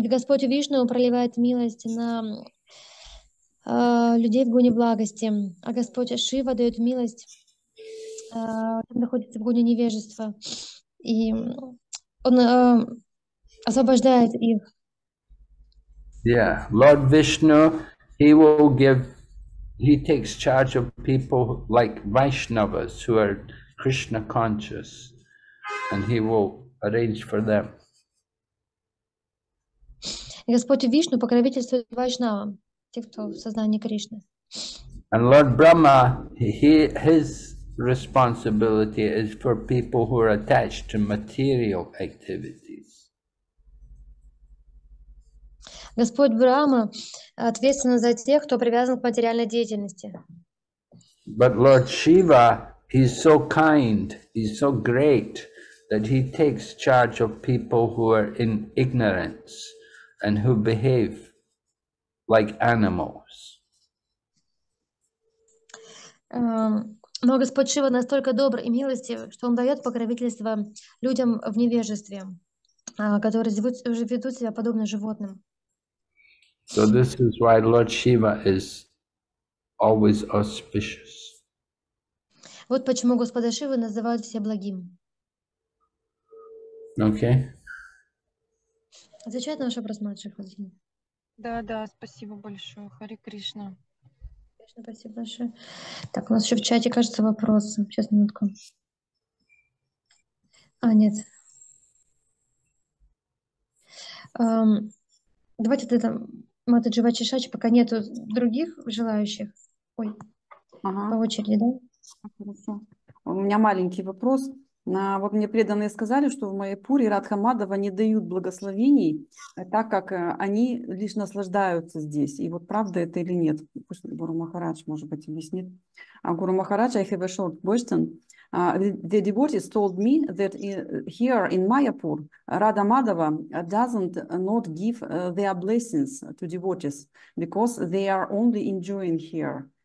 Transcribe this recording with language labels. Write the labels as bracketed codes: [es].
[ru] Господь Вишну проливает милость на людей в гуне благости, а Господь Шива дает милость, находится в гуне невежества, и он освобождает их. [en] Yeah, Lord Vishnu, he takes charge of people like Vaishnavas who are Krishna conscious, and he will arrange for them. [ru] Господь Вишну покровительствует Вайшнавам. Те, кто в сознании Кришны. [en] And Lord Brahma, his responsibility is for people who are attached to material activities. [ru] Господь Брахма ответственен за тех, кто привязан к материальной деятельности. [en] But Lord Shiva, he's so kind, he's so great that he takes charge of people who are in ignorance and who behave like animals. [ru] Но Господь Шива настолько добр и милостив, что он дает покровительство людям в невежестве, которые ведут себя подобно животным. [en] So this is why Lord Shiva is always auspicious. [ru] Вот почему Господа Шивы называют все благим. [en] Okay. [ru] Отвечает на ваш вопрос, младший Хазин. Да, да, спасибо большое. Хари Кришна. Кришна, спасибо большое. Так, у нас еще в чате, кажется, вопрос. Сейчас, минутку. А, нет. Давайте это Матаджи Вачишачи, пока нету других желающих. Ой, ага. По очереди, да? Хорошо. У меня маленький вопрос. Вот мне преданные сказали, что в Майяпуре Радха Мадхава не дают благословений, так как они лишь наслаждаются здесь. И вот правда это или нет? Пусть Гуру Махарадж, может быть, объяснит. [en] Гуру Махарадж, I have a short question. The devotees told me that here in Mayapur, Radha Madhava doesn't not give their blessings to devotees because they are only enjoying here.